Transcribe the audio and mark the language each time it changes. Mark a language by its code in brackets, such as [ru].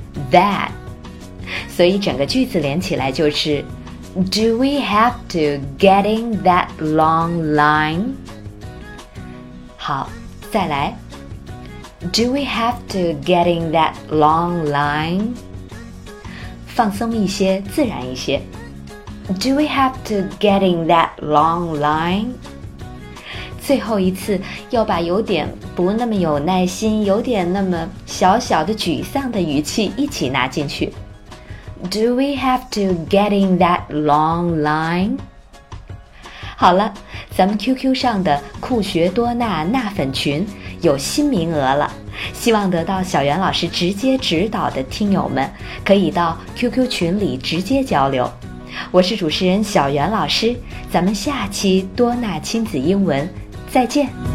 [zh] That 所以整个句子连起来就是 Do we have to get in that long line? 好，再来。 [en] Do we have to get in that long line? [zh] 放松一些，自然一些。 [en] Do we have to get in that long line? [zh] 最后一次，要把有点不那么有耐心，有点那么小小的沮丧的语气一起拿进去。 [en] Do we have to get in that long line? [zh] 好了，咱们 QQ 上的酷学多纳纳粉群有新名额了，希望得到小袁老师直接指导的听友们可以到 QQ 群里直接交流。我是主持人小袁老师，咱们下期多纳亲子英文再见。